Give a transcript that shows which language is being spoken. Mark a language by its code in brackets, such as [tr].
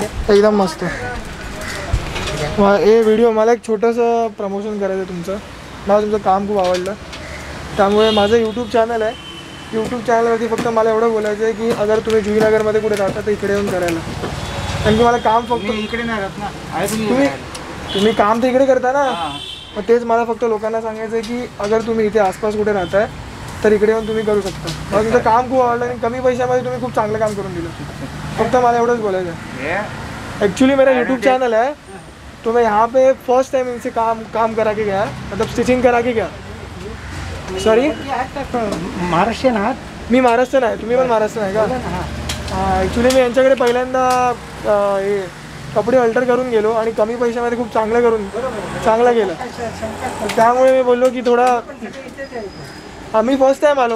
[hi] एकदम मस्त है ये वीडियो, [mr] मला एक छोटा सा प्रमोशन करायचं तुमचं, मला तुमचं काम खूप आवडलं, त्यामुळे माझं यूट्यूब चॅनल आहे, यूट्यूब चॅनलवरती फक्त मला एवढं बोलायचं आहे की अगर तुम्ही जुईनगरमध्ये कुठे राहता तर इकडे येऊन करायला, कारण की मला काम फक्त इकडे नाही राहत ना, तुम्ही काम तर इकडे करता ना, मग तेच मला फक्त लोकांना सांगायचं आहे की अगर तुम्ही इथे आसपास कुठे राहताय तर इकडे येऊन तुम्ही करू शकता, मला तुमचं काम खूप आवडलं आणि कमी पैशामध्ये तुम्ही खूप चांगलं काम करून दिलं, फक्त मला एवढंच बोलायचं आहे। [hi] ॲक्च्युली मेरा यूट्यूब चॅनल आहे तो मैं यहाँ पे फर्स्ट टाइम इनसे काम करा के गया, मतलब स्टिचिंग करा के गया, [en] sorry [mr] महाराष्ट्र मी महाराष्ट्र आहे. तुम्ही पण महाराष्ट्र आहे का? ॲक्च्युली मी यांच्याकडे पहिल्यांदा हे कपडे अल्टर करून गेलो आणि कमी पैशामध्ये खूप चांगलं करून चांगलं गेलं, त्यामुळे मी बोललो की थोडा आम्ही फर्स्ट टाईम आलो.